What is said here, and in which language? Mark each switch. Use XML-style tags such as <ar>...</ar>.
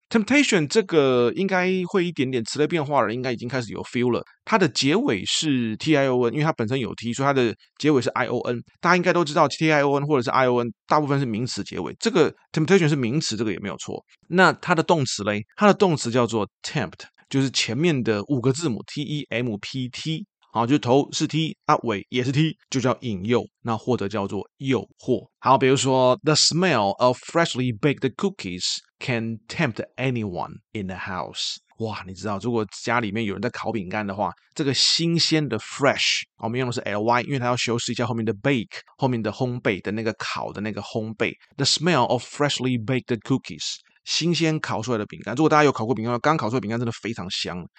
<zh>temptation 这个应该会一点点词的变化了，应该已经开始有 feel 了，它的结尾是 tion， 因为它本身有 t， 所以它的结尾是 ion， 大家应该都知道 tion 或者是 ion 大部分是名词结尾，这个 temptation 是名词，这个也没有错。那它的动词嘞，它的动词叫做 tempt， 就是前面的五个字母 tempt，好，就是头是 T， 啊尾也是 T， 就叫引诱，那或者叫做诱惑。好，比如说</zh> <en>The smell of freshly baked cookies can tempt anyone in the house。</en> <zh>哇，你知道如果家里面有人在烤饼干的话，这个新鲜的 fresh， 我们用的是 ly， 因为它要修饰一下后面的 bake， 后面的烘焙的那个烤的那个烘焙。</zh> <en>The smell of freshly baked cookies，</en> <zh>新鲜烤出来的饼干，如果大家有烤过饼干，刚烤出来的饼干真的非常香。</zh>